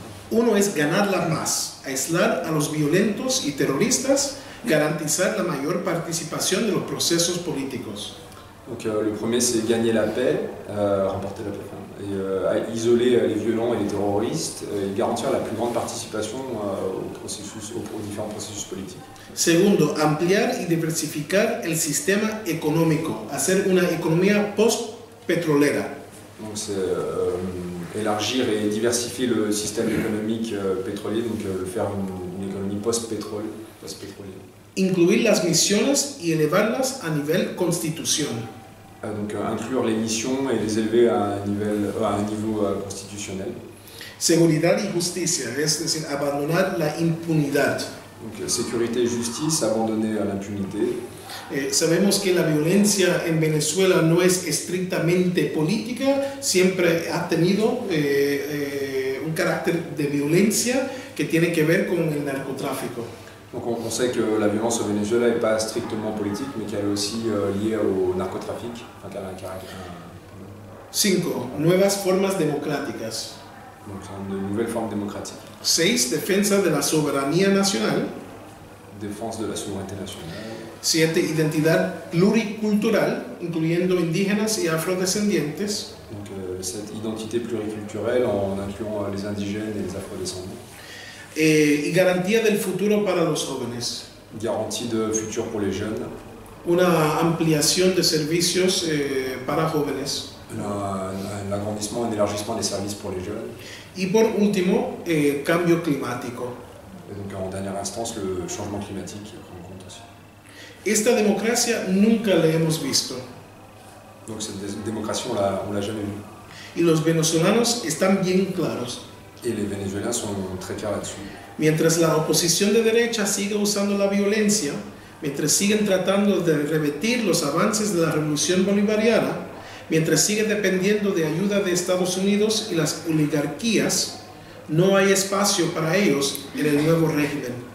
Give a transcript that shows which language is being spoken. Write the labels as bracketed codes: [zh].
[es] Uno es ganar la paz, aislar a los violentos y terroristas, garantizar la mayor participación de los procesos políticos. [fr] Donc le premier c'est gagner la paix, remporter la paix, isoler les violents et les terroristes et garantir la plus grande participation aux différents processus politiques. [es] Segundo, ampliar y diversificar el sistema económico, hacer una economía post-petrolera. [fr] Donc c'est élargir et diversifier le système économique pétrolier, donc faire une économie post-pétrolière. [es] Incluir las misiones y elevarlas a nivel constitución. [fr] Donc inclure les missions et les élever à un niveau constitutionnel. [es] Seguridad y justicia, es decir, abandonar la impunidad. [fr] Donc sécurité et justice, abandonner l'impunité. [es] Sabemos que la violencia en Venezuela no es estrictamente política, siempre ha tenido un carácter de violencia que tiene que ver con el narcotráfico. [fr] Donc on sait que la violence au Venezuela n'est pas strictement politique, mais qu'elle est aussi liée au narcotrafic. Enfin, qu'elle a un caractère. 5. [es] Nuevas formas democráticas. [fr] Donc de nouvelles formes démocratiques. 6. [es] Defensa de la soberanía nacional. [fr] Défense de la souveraineté nationale. 7. [es] Identidad pluricultural, incluyendo indígenas y afrodescendientes. [fr] Donc cette identité pluriculturelle en incluant les indigènes et les afrodescendants. [es] Y garantía del futuro para los jóvenes. Garantía de futuro para los jóvenes. Una ampliación de servicios para jóvenes. [fr] Un agrandissement, un élargissement des services pour les jeunes. [es] Y por último, cambio climático. [fr] Donc, en dernière instance, le changement climatique prend en compte aussi. [es] Esta democracia nunca la hemos visto. [fr] Donc cette démocratie, on l'a jamais vue. [es] Y los venezolanos están bien claros. [fr] Et les Vénézuéliens sont très clairs là-dessus. [es] Mientras la oposición de derecha sigue usando la violencia, mientras siguen tratando de revertir los avances de la revolución bolivariana, mientras sigue dependiendo de ayuda de Estados Unidos y las oligarquías, no hay espacio para ellos en el nuevo régimen.